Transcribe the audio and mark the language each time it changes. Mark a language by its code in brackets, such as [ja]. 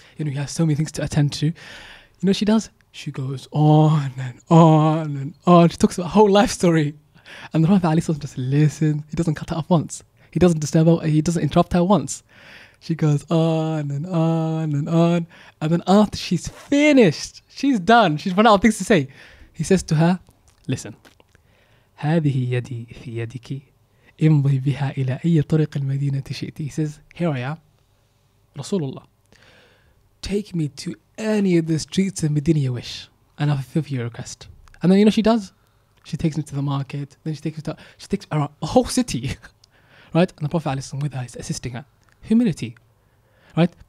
[en] You know, he has so many things to attend to. You know what she does? She goes on and on and on. She talks about her whole life story. And the Prophet Ali Sultan just listens. He doesn't cut her off once. He doesn't disturb her. He doesn't interrupt her once. She goes on and on and on. And then after she's finished, she's done. She's run out of things to say. He says to her, listen. [ar] هذه يدي في يدك امضي بها إلى أي طريق المدينة شئتي. [en] He says, here I am, Rasulullah. Take me to any of the streets of Medina you wish, and I'll fulfill your request. And then you know what she does? She takes me to the market, then she takes her around the whole city, right? And the Prophet is with her, he's assisting her. Humility, right?